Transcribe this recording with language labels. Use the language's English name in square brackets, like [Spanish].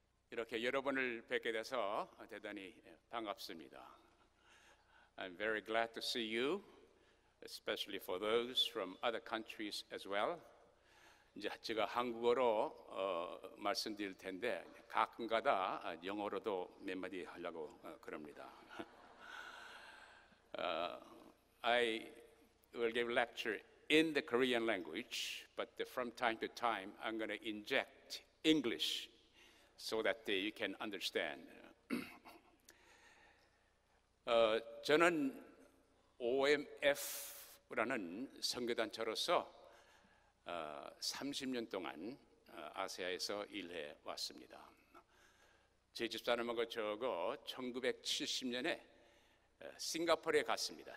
[Korean] 이렇게 여러분을 뵙게 돼서 대단히 반갑습니다. [English] I'm very glad to see you, especially for those from other countries as well. [Korean] 이제 제가 한국어로 말씀드릴 텐데 가끔가다 영어로도 몇 마디 하려고 그럽니다. [English] I will give a lecture in the Korean language, but from time to time, I'm going to inject English so that you can understand. [Korean] 저는 OMF라는 선교단체로서 30년 동안 아세아에서 일해 왔습니다. 제 집사람하고 저하고 1970년에 싱가포르에 갔습니다.